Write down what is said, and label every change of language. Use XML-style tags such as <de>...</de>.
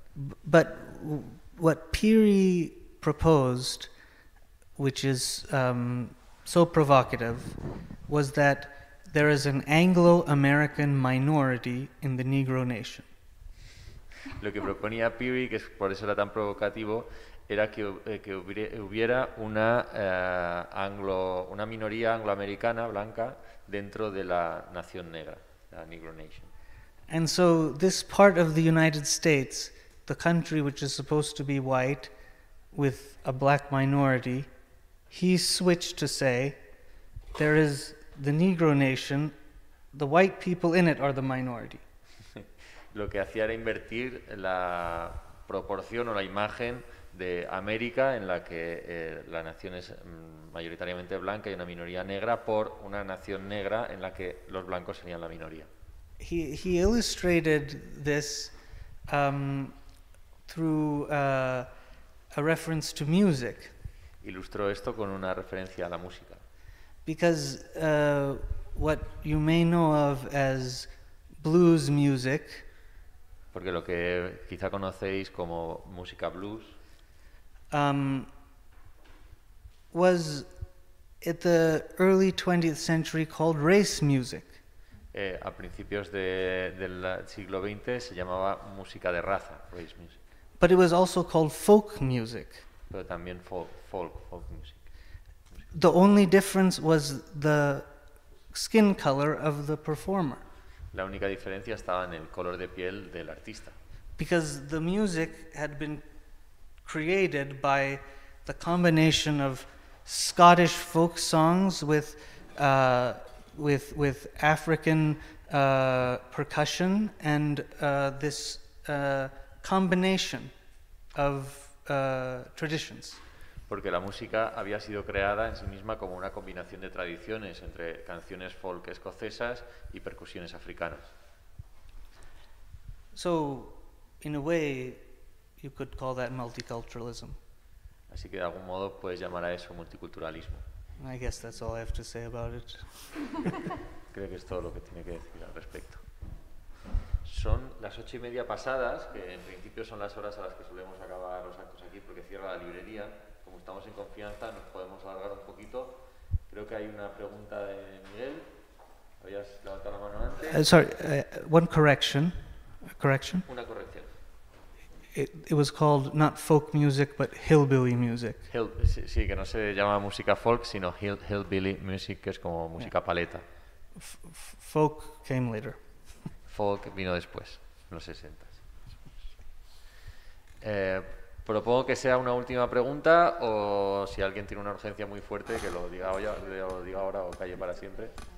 <en>But what Peary proposed, which is so provocative, was that there is an Anglo-American minority in the Negro Nation.</en> <es>Lo que proponía Peary, que es por eso era tan provocativo, era que hubiera una minoría angloamericana blanca dentro de la nación negra, la Negro Nation.</es> <en>And so this part of the United States, the country which is supposed to be white with a black minority, he switched to say, there is the Negro nation, the white people in it are the minority.</en> <es>Lo que hacía era invertir la proporción o la imagen de América en la que la nación es mayoritariamente blanca y una minoría negra por una nación negra en la que los blancos serían la minoría.</es> <en>He illustrated this through a reference to music.</en> <es>Ilustró esto con una referencia a la música.</es> <en>Because what you may know of as blues music.</en> <es>Porque lo que quizá conocéis como música blues.</es> <en>Was at the early 20th century called race music.</en> <es>A principios del siglo XX se llamaba música de raza, race music.</es> <en>But it was also called folk music.</en> <es>Pero también folk music.</es> <en>The only difference was the skin color of the performer.</en> <es>La única diferencia estaba en el color de piel del artista.</es> <en>Because the music had been created by the combination of Scottish folk songs with African percussion and this combination of traditions.</en> <es>Porque la música había sido creada en sí misma como una combinación de tradiciones entre canciones folk escocesas y percusiones africanas.</es> <en>So, in a way, you could call that multiculturalism.</en> <es>Así que de algún modo puedes llamar a eso multiculturalismo.</es> <en>I guess that's all I have to say about it.</en> <es>Creo que es todo lo que tiene que decir al respecto. Son las 8:30 pasadas, que en principio son las horas a las que solemos acabar los actos aquí porque cierra la librería. Como estamos en confianza, nos podemos alargar un poquito. Creo que hay una pregunta de Miguel. ¿Habías levantado la mano antes?</es> <en>One correction. A correction?</en> <es>Una corrección.</es> <en>It was called not folk music, but hillbilly music.</en> <es>Sí, que no se llama música folk, sino hillbilly music, que es como música paleta.</es> <en>Folk came later.</en> <es>Folk vino después, en los 60s. Propongo que sea una última pregunta, o si alguien tiene una urgencia muy fuerte, que lo diga ahora o calle para siempre.</es>